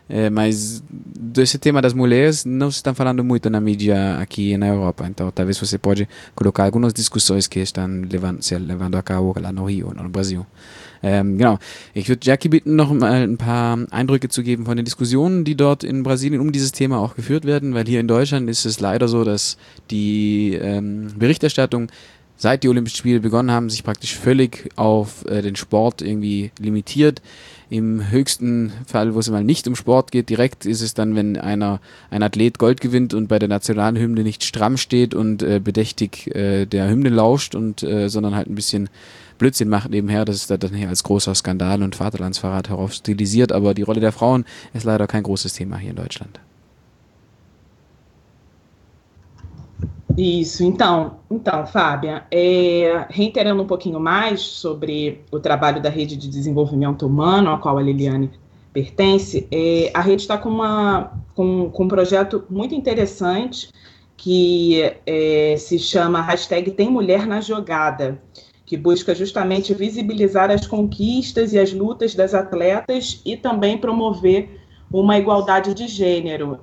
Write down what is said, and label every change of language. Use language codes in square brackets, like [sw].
[pt] Mas desse tema das mulheres não se está falando muito na mídia aqui na Europa. Então talvez você pode colocar algumas discussões que estão se levando a cabo lá no Rio, no Brasil. [de] Genau. Ich würde Jackie bitten, noch mal ein paar Eindrücke zu geben von den Diskussionen, die dort in Brasilien um dieses Thema auch geführt werden, weil hier in Deutschland ist es leider so, dass die Berichterstattung, seit die Olympischen Spiele begonnen haben, sich praktisch völlig auf den Sport irgendwie limitiert. Im höchsten Fall, wo es mal nicht um Sport geht, direkt ist es dann, wenn ein Athlet Gold gewinnt und bei der Nationalhymne nicht stramm steht und bedächtig der Hymne lauscht, und sondern halt ein bisschen Blödsinn macht nebenher. Das ist dann hier als großer Skandal und Vaterlandsverrat heraufstilisiert, aber die Rolle der Frauen ist leider kein großes Thema hier in Deutschland. [pt] Isso, então, Fábia, reiterando um pouquinho mais sobre o trabalho da Rede de Desenvolvimento Humano, a qual a Liliane pertence, a rede está com um projeto muito interessante que se chama hashtag Tem Mulher na Jogada, que busca justamente visibilizar as conquistas e as lutas das atletas e também promover uma igualdade de gênero.